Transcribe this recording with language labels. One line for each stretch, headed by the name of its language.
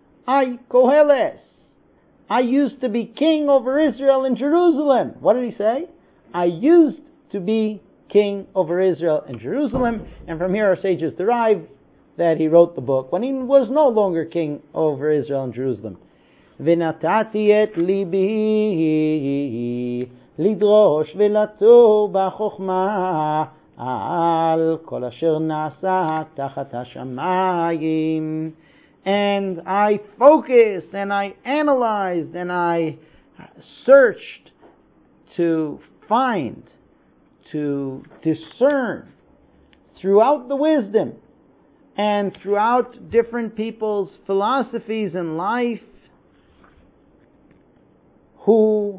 English: I, Kohelet, I used to be king over Israel in Jerusalem. What did he say? I used to be king over Israel in Jerusalem. And from here our sages derive that he wrote the book when he was no longer king over Israel in Jerusalem.
Hebrew: V'natati et libihi לדרוש ולטור בחוכמה על כל אשר נעשה תחת השמיים.
English: And I focused and I analyzed and I searched to find, to discern throughout the wisdom and throughout different people's philosophies in life who...